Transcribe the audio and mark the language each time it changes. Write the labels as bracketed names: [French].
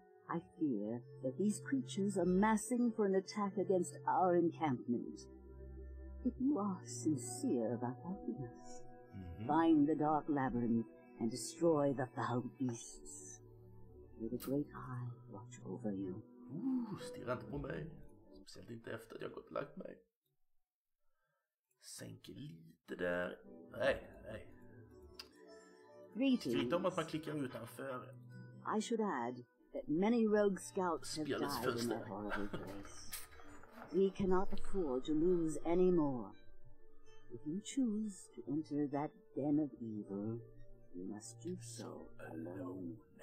[English] I fear that these creatures are massing for an attack against our encampment. If you are sincere about helping us, find the dark labyrinth and destroy the foul beasts. May the great eye watch over you. [Swedish] Stirra inte på mig. Speciellt inte efter att jag gått lagt mig. Sänk lite där. Nej. [English] Greetings. [Swedish] Om att man klickar utanför. [English] I should add that many rogue scouts have died in that horrible place. We cannot afford to lose any more. If you choose to enter that den of evil, you must do so alone.